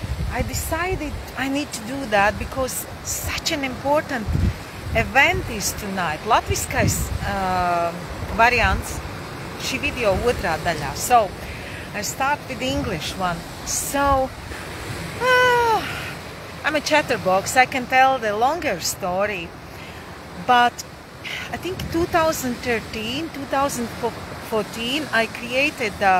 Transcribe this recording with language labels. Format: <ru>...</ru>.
<en>I decided I need to do that because such an important event is tonight.</en> <lv>Latviskais variants, šī video otrā daļā.</lv> <en>So, I start with the English one. So, I'm a chatterbox, I can tell the longer story, but I think 2014, I created,</en>